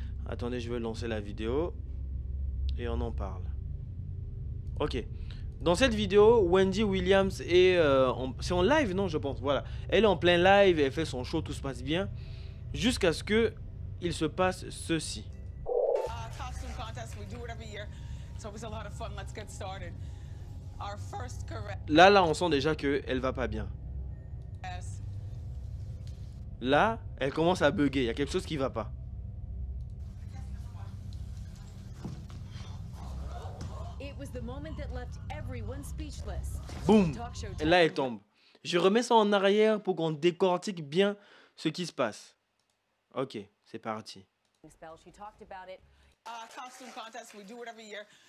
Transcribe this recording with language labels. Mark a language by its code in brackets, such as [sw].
[fr] Attendez, je vais lancer la vidéo. Et on en parle. Ok. Dans cette vidéo, Wendy Williams est... c'est en live, non, je pense. Voilà. Elle est en plein live, elle fait son show, tout se passe bien. Jusqu'à ce que il se passe ceci. [en] Costume contest, we do it every year. It's always a lot of fun. Let's get started. Our first correct. [fr] Là, on sent déjà que elle va pas bien. [en] Yes. [fr] Là, elle commence à bugger. Il y a quelque chose qui va pas. [en] It was the moment that left everyone speechless. [fr] Boom. Et là, elle tombe. Je remets ça en arrière pour qu'on décortique bien ce qui se passe. Ok, c'est parti. [en] Costume contest, we do it every year.